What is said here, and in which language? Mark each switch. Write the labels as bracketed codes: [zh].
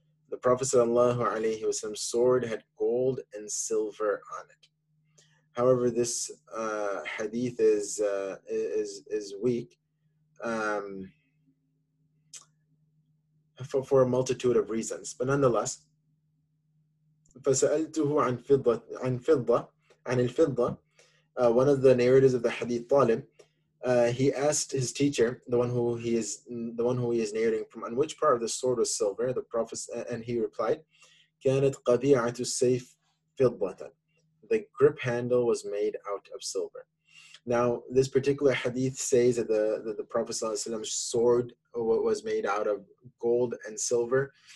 [en] The Prophet sallallahu alayhi wa sallam's sword had gold and silver on it. However, this hadith is weak for a multitude of reasons. But nonetheless, [ar] فسألته عن فضة عن الفضة. [en] One of the narrators of the hadith, Talib, he asked his teacher, the one who he is narrating from, on which part of the sword was silver. The Prophet, and he replied, [ar] كانت قبيعة السيف فضة. [en] The grip handle was made out of silver. Now, this particular hadith says that the Prophet sallallahu alaihi wasallam's sword was made out of gold and silver.